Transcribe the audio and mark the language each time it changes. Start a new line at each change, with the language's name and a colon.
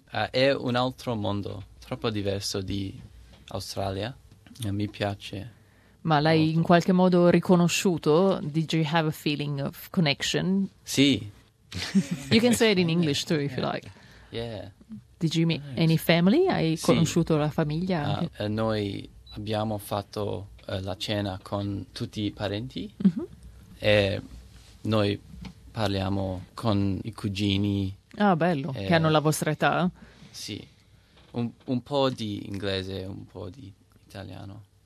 Italian: È un altro mondo, troppo diverso di Australia. Mi piace. Ma l'hai molto. In qualche modo riconosciuto?
English: Did you have a feeling of connection?
Italian: Sì.
English: You can say it in English too, if you like. Yeah. Did you meet any family?
Italian: Hai conosciuto la famiglia? Noi abbiamo fatto la cena con tutti i parenti. Mm-hmm. E noi... Parliamo con i cugini. Ah, bello, che hanno la vostra età. Sì, un po' di inglese, un po' di italiano.